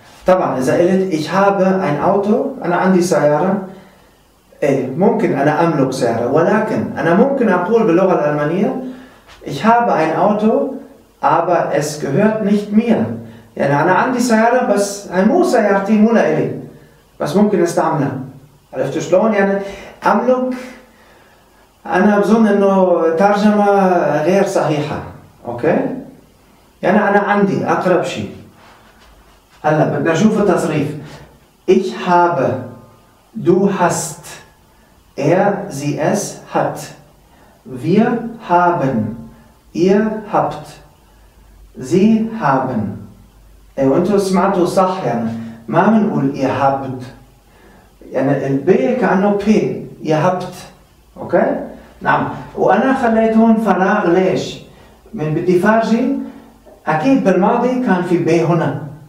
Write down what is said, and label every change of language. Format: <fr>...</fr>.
<ar>طبعاً إذا قلت</ar> <de>ich habe ein Auto،</de> <ar>أنا عندي سيارة، إيه ممكن أنا أملك سيارة، ولكن أنا ممكن أقول باللغة الألمانية</ar> <de>ich habe ein Auto aber es gehört nicht mir،</de> <ar>يعني أنا عندي سيارة بس هي مو سيارتي، مو لإلي، بس ممكن أستعملها. عرفت شلون؟ يعني أملك، أنا بظن إنه ترجمة غير صحيحة، أوكي؟ يعني أنا عندي أقرب شيء. هلا بدنا نشوف التصريف.</ar> <de>ich habe du hast er sie es hat wir haben ihr habt sie haben.</de> <ar>اي وانتو سمعتوا صح، يعني ما منقول</ar> <de>ihr habt،</de> <ar>يعني الب كانه ب ihr habt، اوكي؟ نعم، وانا خليت هون فراغ، ليش؟ من بدي فارجي اكيد بالماضي كان في ب هنا</ar>